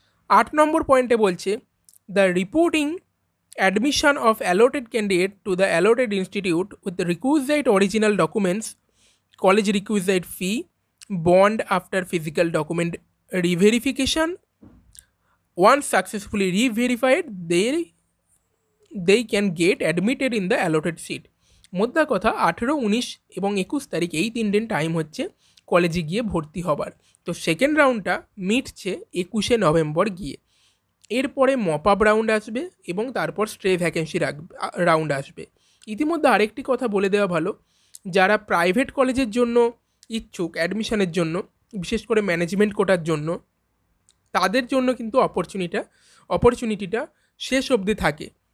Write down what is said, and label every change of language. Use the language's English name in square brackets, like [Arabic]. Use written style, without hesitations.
[Bangla] 8 নম্বর পয়েন্টে বলছে, [English] The reporting admission of allotted candidate to the allotted institute with requisite original documents, college requisite fee, bond after physical document reverification once successfully re-verified, they can get admitted in the allotted seat. [Bangla] মোদ্দা কথা 18, 19, 21 তারিখ এই তিন দিন time হচ্ছে কলেজে গিয়ে ভর্তি হবার। তো সেকেন্ড রাউন্ডটা মিটছে 21 নভেম্বর গিয়ে। এরপরে মপ আপ রাউন্ড আসবে এবং তারপর স্ট্রে ভ্যাকেন্সি রাউন্ড আসবে। ইতিমধ্যে আরেকটি কথা বলে দেওয়া ভালো, যারা প্রাইভেট কলেজের জন্য ইচ্ছুক অ্যাডমিশানের জন্য, বিশেষ করে ম্যানেজমেন্ট কোটার জন্য, তাদের জন্য কিন্তু অপরচুনিটিটা শেষ অবধি থাকে।